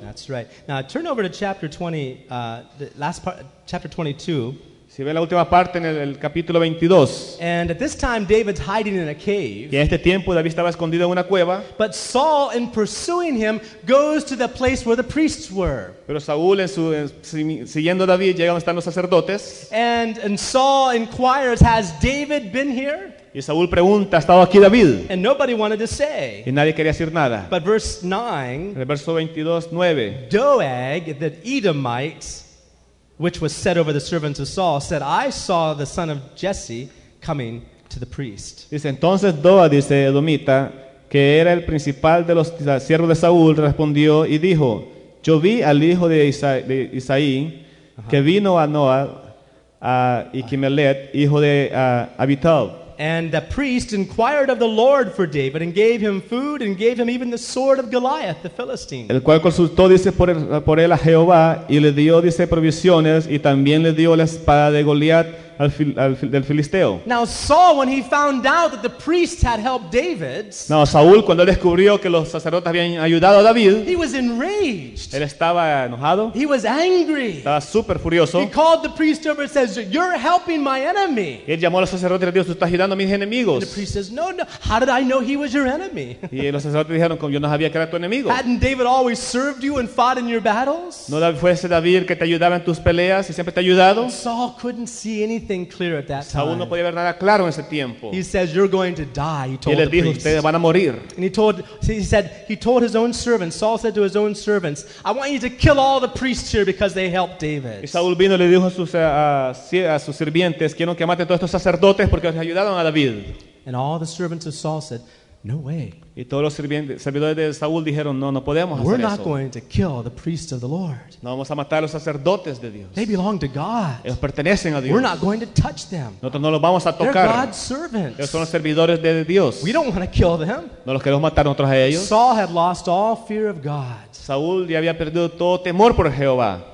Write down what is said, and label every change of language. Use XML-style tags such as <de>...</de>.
<en>That's right. Now turn over to chapter 20, the last part, chapter 22.</en> <es>Si ve la última parte en el capítulo 22.</es> <en>And at this time David's hiding in a cave.</en> <es>Y en este tiempo David estaba escondido en una cueva.</es> <en>But Saul, in pursuing him, goes to the place where the priests were.</en> <es>Pero Saúl, siguiendo a David, llega donde están los sacerdotes.</es> <en>And Saul inquires, "Has David been here?"</en> <es>Y Saúl pregunta, ¿ha estado aquí David?</es> <en>And nobody wanted to say.</en> <es>Y nadie quería decir nada.</es> <en>But verse 9,</en> <es>el verso 22,</es> <en>9. Doeg, the Edomite, which was set over the servants of Saul, said, "I saw the son of Jesse coming to the priest."</en> <es>Dice, entonces Doeg, dice Edomita, que era el principal de los siervos de Saúl, respondió y dijo, "Yo vi al hijo de Isaí, que vino a Noah, y Kimelet, hijo de Abital."</es> <en>And the priest inquired of the Lord for David and gave him food and gave him even the sword of Goliath, the Philistine.</en> <es>El cual consultó, dice, por él a Jehová y le dio, dice, provisiones y también le dio la espada de Goliath, del filisteo.</es> <en>Now Saul, when he found out that the priests had helped David,</en> <es>no, Saúl, cuando él descubrió que los sacerdotes habían ayudado a David,</es> <en>he was enraged.</en> <es>Él estaba enojado.</es> <en>He was angry.</en> <es>Estaba súper furioso.</es> <en>He called the priest over and says, "You're helping my enemy."</en> <es>Y él llamó a los sacerdotes y le dijo, "Tú estás ayudando a mis enemigos."</es> <en>And the priest says, "No, no. How did I know he was your enemy?"</en> <es>Y los sacerdotes dijeron, "Yo no sabía que era tu enemigo."</es> <en>Hadn't David always served you and fought in your battles?</en> <es>No, fue ese David que te ayudaba en tus peleas y siempre te ha ayudado.</es> <en>Saul couldn't see anything clear at that time.</en> <es>Saúl no podía ver nada claro en ese tiempo.</es> <en>He says, "You're going to die." He told the</en> <es>priest. Y él dijo, "Ustedes van a morir."</es> <en>And he told his own servants. Saul said to his own servants, "I want you to kill all the priests here because they helped David."</en> <es>Y Saúl vino y le dijo a sus sirvientes, "Quiero que maten todos estos sacerdotes porque les ayudaron a David."</es> <en>And all the servants of Saul said, "No way."</en> <es>Y todos los servidores de Saúl dijeron, "No, no podemos hacer eso.</es> <en>We're not going to kill the priests of the Lord.</en> <es>No vamos a matar a los sacerdotes de Dios.</es> <en>They belong to God.</en> <es>Ellos pertenecen a Dios.</es> <en>We're not going to touch them.</en> <es>Nosotros no los vamos a tocar.</es> <en>They're God's servants.</en> <es>Ellos son los servidores de Dios.</es> <en>We don't want to kill them.</en> <es>No los queremos matar nosotros a ellos."</es> <en>Saul had lost all fear of God.</en> <es>Saúl ya había perdido todo temor por Jehová.</es>